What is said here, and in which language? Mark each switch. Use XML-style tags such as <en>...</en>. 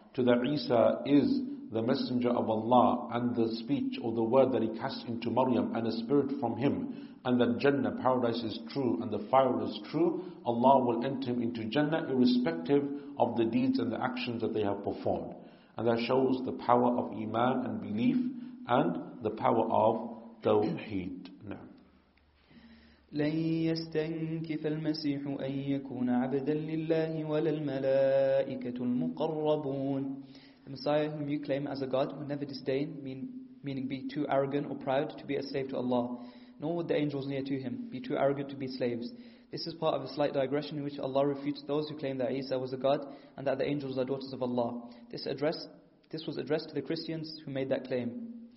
<en>To the Isa is the messenger of Allah, and the speech or the word that he cast into Maryam and a spirit from him, and that Jannah, paradise, is true and the fire is true, Allah will enter him into Jannah irrespective of the deeds and the actions that they have performed. And that shows the power of Iman and belief and the power of Tawheed.</en> <ar>لن يستنكف المسيح أن يكون عبدا لله ولا الملائكة المقربون.</ar> <en>The Messiah whom you claim as a God will never disdain, meaning be too arrogant or proud to be a slave to Allah, nor would the angels near to him be too arrogant to be slaves. This is part of a slight digression in which Allah refutes those who claim that Isa was a God and that the angels are daughters of Allah. This was addressed to the Christians who made that claim.</en>